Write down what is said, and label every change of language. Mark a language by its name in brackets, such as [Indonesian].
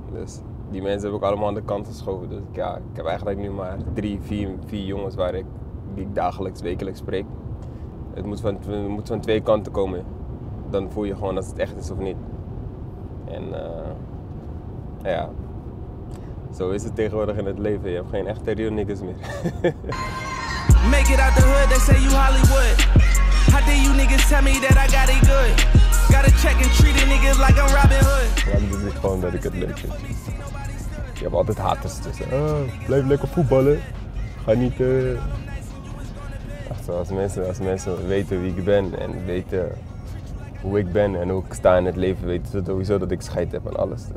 [Dutch] Dus die mensen heb ik allemaal aan de kant geschoven. Dus ja, ik heb eigenlijk nu maar 3, 4 jongens waar ik, die ik dagelijks, wekelijks spreek. Het moet van 2 kanten komen. Dan voel je gewoon dat het echt is of niet. En ja, zo is het tegenwoordig in het leven. Je hebt geen echte [English] real niggas [Dutch] meer. [English] Make it out the hood, they say you Hollywood. How dare you niggas tell me that I got it good? Gotta check and treat the niggas like I'm Robin Hood. [Dutch] Ja, dat is gewoon dat ik het leuk vind. Je hebt altijd haters tussen. Blijf lekker voetballen. Ga niet. Als mensen weten wie ik ben en weten hoe ik ben en hoe ik sta in het leven, weten ze sowieso dat ik scheid heb aan alles.